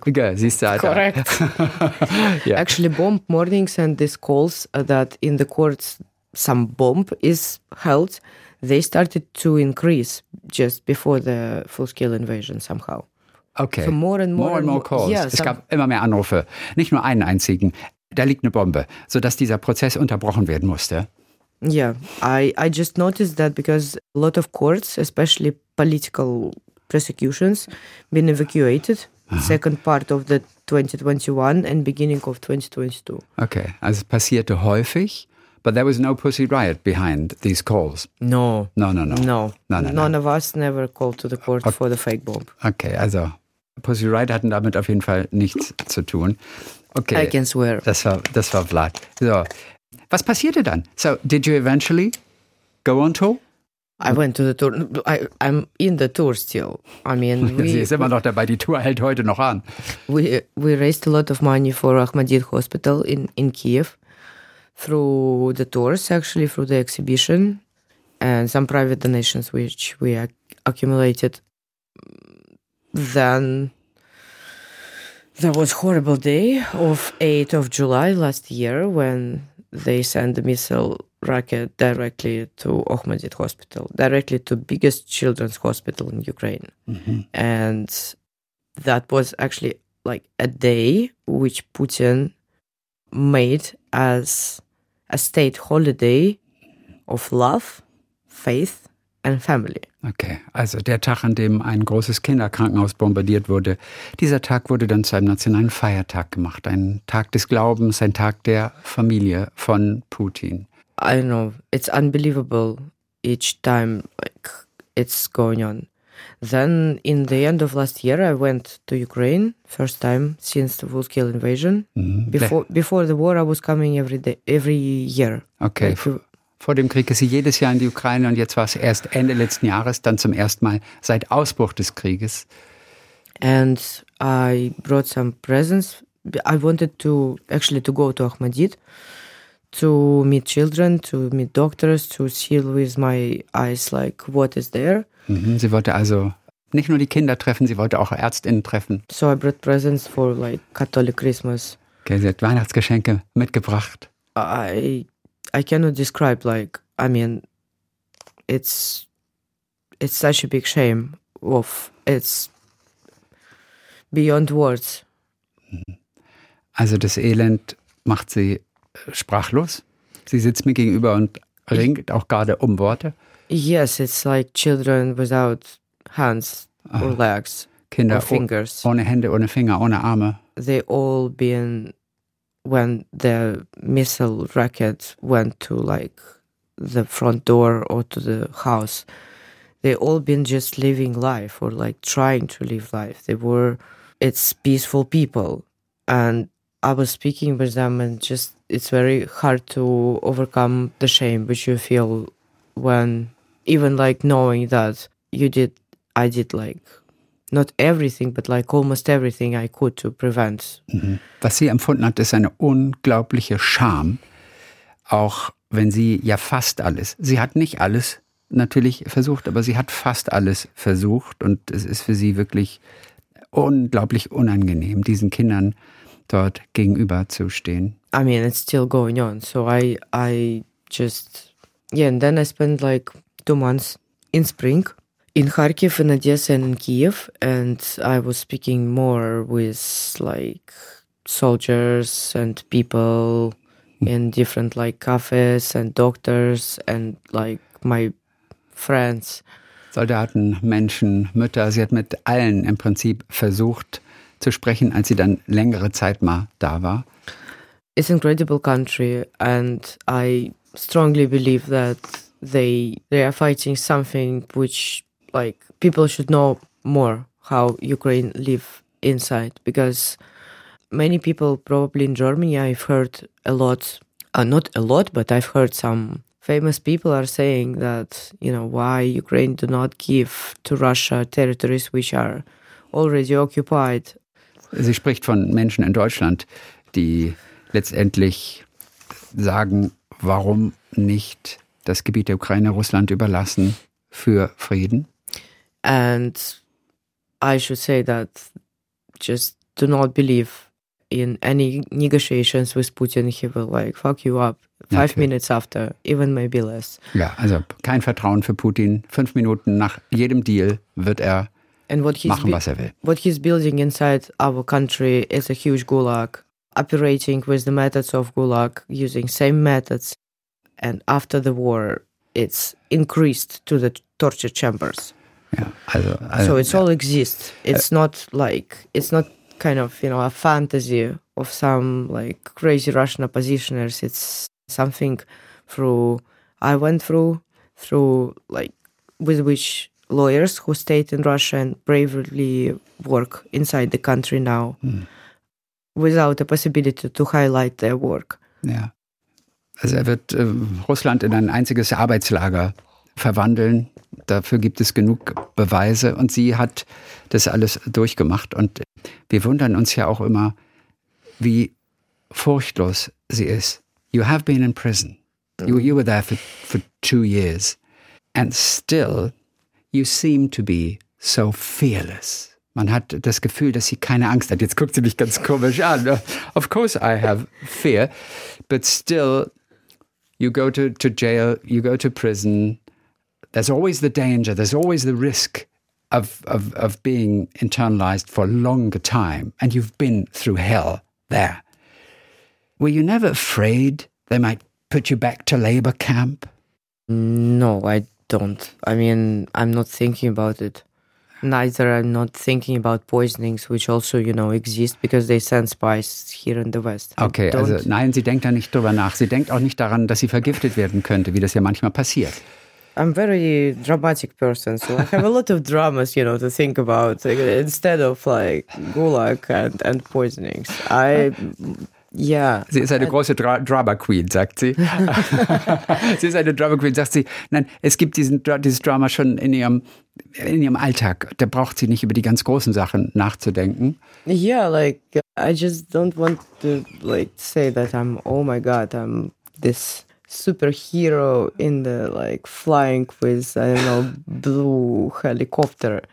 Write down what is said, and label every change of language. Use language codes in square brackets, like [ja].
[de] Okay, siehst du, Alter. [en] Correct. Yeah. Actually, bomb warnings and these calls that in the courts some bomb is held, they started to increase just before the full-scale invasion somehow. Okay. So more and more calls. Yeah, [de] es gab immer mehr Anrufe. Nicht nur einen einzigen. Da liegt eine Bombe, sodass dieser Prozess unterbrochen werden musste. [en] Yeah, I just noticed that because a lot of courts, especially political prosecutions, been evacuated second part of the 2021 and beginning of 2022. Okay, [de] also es passierte häufig, [en] but there was no Pussy Riot behind these calls. No. No. None of us never called to the court for the fake bomb. [de] Okay, also Pussy Riot hatten damit auf jeden Fall nichts zu tun. [en] Okay. I can swear. [de] Das war Vlad. So. Was passierte dann? [en] So, did you eventually go on tour? I went to the tour. I'm in the tour still. I mean, [de] sie ist immer noch dabei. Die Tour hält heute noch an. [en] We raised a lot of money for Ahmadiyya Hospital in Kiev through the tours, actually, through the exhibition and some private donations which we accumulated. Then There was a horrible day of 8th of July last year when they sent the missile rocket directly to Ohmadzid Hospital, directly to biggest children's hospital in Ukraine. Mm-hmm. And that was actually like a day which Putin made as a state holiday of love, faith and family. [de] Okay, also der Tag, an dem ein großes Kinderkrankenhaus bombardiert wurde, dieser Tag wurde dann zu einem nationalen Feiertag gemacht, ein Tag des Glaubens, ein Tag der Familie von Putin. [en] I don't know, it's unbelievable each time like it's going on. Then in the end of last year I went to Ukraine, first time since the full-scale invasion. Mm-hmm. Before the war I was coming every year. Okay. [de] Vor dem Krieg ist sie jedes Jahr in die Ukraine und jetzt war es erst Ende letzten Jahres, dann zum ersten Mal seit Ausbruch des Krieges. [en] And I brought some presents. I wanted to go to Ahmadid to meet children, to meet doctors, to see with my eyes like what is there. [de] Sie wollte also nicht nur die Kinder treffen, sie wollte auch Ärztinnen treffen. [en] So I brought presents for like Catholic Christmas. [de] Okay, sie hat Weihnachtsgeschenke mitgebracht. [en] I cannot describe, like, I mean, it's such a big shame of, it's beyond words. [de] Also das Elend macht sie sprachlos. Sie sitzt mir gegenüber und ringt auch gerade um Worte. [en] Yes, it's like children without hands or legs [de] Kinder [en] or fingers. [de] Ohne Hände, ohne Finger, ohne Arme. [en] They all been... when the missile rocket went to like the front door or to the house, they all been just living life or like trying to live life. They were, it's peaceful people. And I was speaking with them and just, it's very hard to overcome the shame which you feel when even like knowing that I did like not everything, but like almost everything I could to prevent. [de] Was sie empfunden hat, ist eine unglaubliche Scham, auch wenn sie ja fast alles, sie hat nicht alles natürlich versucht, aber sie hat fast alles versucht und es ist für sie wirklich unglaublich unangenehm, diesen Kindern dort gegenüber zu stehen. [en] I mean, it's still going on, so I just, yeah, and then I spent like 2 months in spring, in Kharkiv, in Odessa, and in Kyiv, and I was speaking more with like soldiers and people in different like cafes and doctors and like my friends. [de] Soldaten, Menschen, Mütter, sie hat mit allen im Prinzip versucht zu sprechen, als sie dann längere Zeit mal da war. [en] It's an incredible country and I strongly believe that they are fighting something which like people should know more how Ukraine live inside, because many people probably in Germany, I've heard a lot, not a lot, but I've heard some famous people are saying that, you know, why Ukraine do not give to Russia territories which are already occupied. [de] Sie spricht von Menschen in Deutschland, die letztendlich sagen, warum nicht das Gebiet der Ukraine Russland überlassen für Frieden. [en] And I should say that just do not believe in any negotiations with Putin. He will like fuck you up 5 minutes after, even maybe less. [de] Ja, also kein Vertrauen für Putin. 5 Minuten nach jedem Deal wird er machen, was er will. [en] What he's building inside our country is a huge gulag, operating with the methods of gulag, using same methods. And after the war, it's increased to the torture chambers. [de] Yeah, also, [en] so it all exists. It's not like, it's not kind of, you know, a fantasy of some like crazy Russian oppositioners. It's something I went through like with which lawyers who stayed in Russia and bravely work inside the country now without the possibility to highlight their work. Yeah. [de] Also wird Russland in ein einziges Arbeitslager verwandeln. Dafür gibt es genug Beweise und sie hat das alles durchgemacht. Und wir wundern uns ja auch immer, wie furchtlos sie ist. [en] You have been in prison. You were there for 2 years. And still, you seem to be so fearless. [de] Man hat das Gefühl, dass sie keine Angst hat. Jetzt guckt sie mich ganz komisch an. [en] Of course I have fear, but still you go to jail, you go to prison. There's always the danger, there's always the risk of being internalized for a longer time, and you've been through hell there. Were you never afraid they might put you back to labor camp? No, I don't. I mean, I'm not thinking about it. Neither I'm not thinking about poisonings, which also, you know, exist, because they send spies here in the West. [de] Okay, also nein, sie denkt da nicht drüber nach. Sie denkt auch nicht daran, dass sie vergiftet werden könnte, wie das ja manchmal passiert. [en] I'm a very dramatic person, so I have a lot of dramas, you know, to think about, instead of like Gulag and poisonings. I... Yeah. [de] Sie ist eine große Drama Queen, sagt sie. Sie ist eine Drama Queen, sagt sie. Nein, es gibt dieses Drama schon in ihrem Alltag. Da braucht sie nicht über die ganz großen Sachen nachzudenken. [en] Yeah, like I just don't want to like say that I'm, oh my God, I'm this superhero in the like flying with, I don't know, blue helicopter.